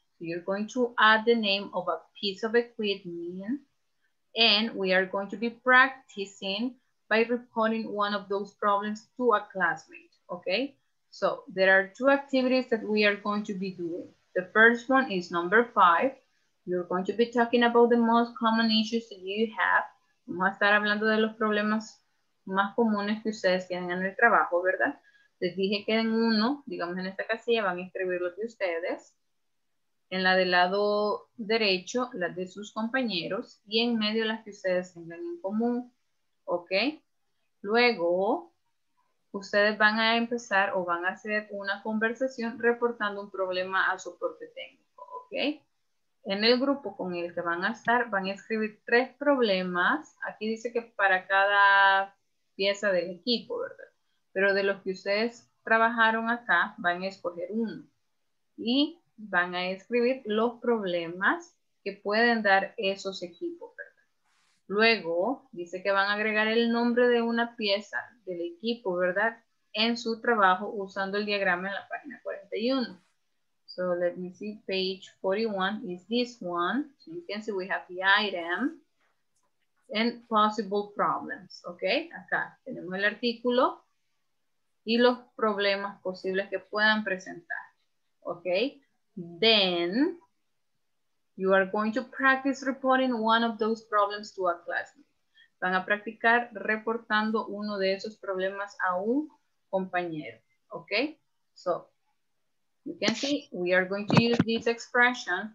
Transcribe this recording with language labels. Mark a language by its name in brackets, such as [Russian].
[English] So you're going to add the name of a piece of equipment, and we are going to be practicing by reporting one of those problems to a classmate, okay? So there are two activities that we are going to be doing. The first one is number five. You're going to be talking about the most common issues that you have. [Spanish] Vamos a estar hablando de los problemas más comunes que ustedes tienen en el trabajo, ¿verdad? Les dije que en uno, digamos en esta casilla, van a escribir los de ustedes. En la del lado derecho, las de sus compañeros. Y en medio, las que ustedes tengan en común, ¿ok? Luego, ustedes van a empezar o van a hacer una conversación reportando un problema a soporte técnico, ¿ok? En el grupo con el que van a estar, van a escribir tres problemas. Aquí dice que para cada pieza del equipo, ¿verdad? Pero de los que ustedes trabajaron acá, van a escoger uno. Y van a escribir los problemas que pueden dar esos equipos, ¿verdad? Luego, dice que van a agregar el nombre de una pieza del equipo, ¿verdad? En su trabajo, usando el diagrama en la página 41. [English] So, let me see, page 41 is this one. So, you can see we have the item and possible problems, okay? [Spanish] Acá tenemos el artículo y los problemas posibles que puedan presentar, okay? [English] Then, you are going to practice reporting one of those problems to a classmate. [Spanish] Van a practicar reportando uno de esos problemas a un compañero, okay? [English] So, you can see we are going to use these expressions.